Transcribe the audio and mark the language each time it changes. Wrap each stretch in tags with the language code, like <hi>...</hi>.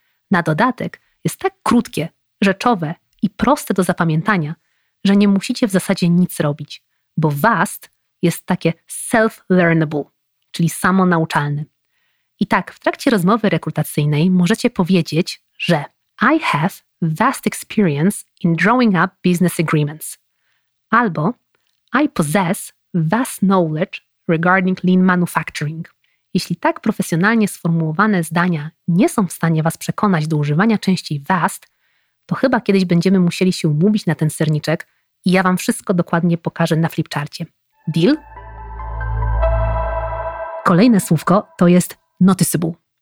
<pl>Na dodatek jest tak krótkie, rzeczowe i proste do zapamiętania, że nie musicie w zasadzie nic robić, bo vast jest takie self-learnable, czyli samonauczalny. I tak, w trakcie rozmowy rekrutacyjnej możecie powiedzieć, że</pl> <en>I have vast experience in drawing up business agreements. Albo I possess vast knowledge regarding lean manufacturing.</en> <pl>Jeśli tak profesjonalnie sformułowane zdania nie są w stanie was przekonać do używania częściej vast, to chyba kiedyś będziemy musieli się umówić na ten serniczek i ja wam wszystko dokładnie pokażę na flipcharcie. Deal? Kolejne słówko to jest noticeable.</pl>